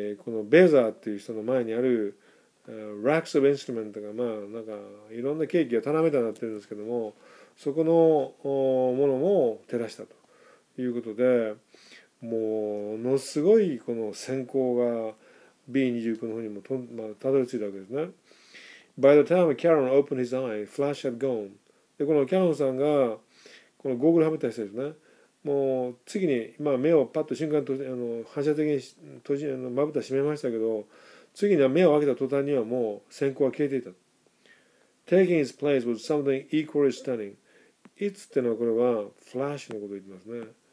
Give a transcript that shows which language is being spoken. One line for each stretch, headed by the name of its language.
Japanese: のベーザーという人の前にある、Racks of Instrument とか、まあ、なんかいろんなケーキが棚みたいになってるんですけども、そこのものも照らしたということで、ものすごいこの閃光が、B29 の方にもたどり着いたわけですね。
English: By the time Caron opened his eye, flash had gone.
Japanese: で、このキャロンさんが、このゴーグルはめた人ですね。もう次に、今、まあ、目をパッと瞬間と反射的に閉じ、まぶた閉めましたけど、次には目を開けた途端にはもう閃光は消えていた。
English: Taking his place was something equally stunning. It's
Japanese: ってのはこれは、flash のことを言ってますね。